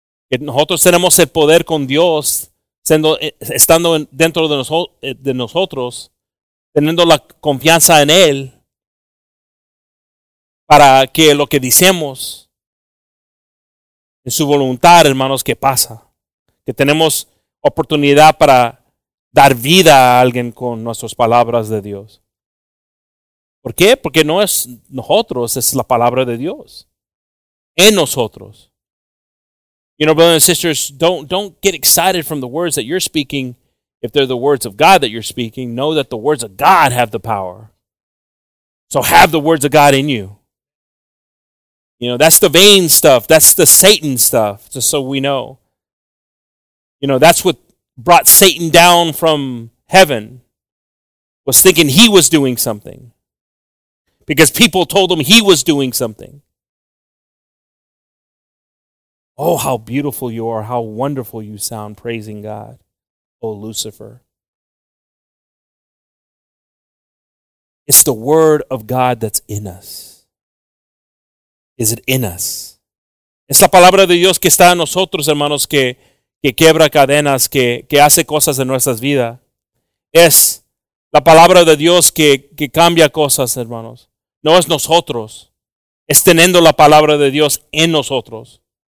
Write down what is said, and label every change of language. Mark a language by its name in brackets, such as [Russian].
[Spanish] Que nosotros tenemos el poder con Dios, siendo, estando dentro de nosotros, teniendo la confianza en Él, para que lo que decimos en su voluntad, hermanos, que pasa. Que tenemos oportunidad para dar vida a alguien con nuestras palabras de Dios. ¿Por qué? Porque no es nosotros, es la palabra de Dios en nosotros. [English] You know, brothers and sisters, don't get excited from the words that you're speaking. If they're the words of God that you're speaking, know that the words of God have the power. So have the words of God in you. You know, that's the vain stuff. That's the Satan stuff, just so we know. You know, that's what brought Satan down from heaven, was thinking he was doing something because people told him he was doing something. Oh, how beautiful you are, how wonderful you sound praising God, oh Lucifer. It's the word of God that's in us. Is it in us? [Spanish] Es la palabra de Dios que está en nosotros, hermanos, que quebra cadenas, que hace cosas en nuestras vidas. Es la palabra de Dios que cambia cosas, hermanos. No es nosotros. Es teniendo la palabra de Dios en nosotros.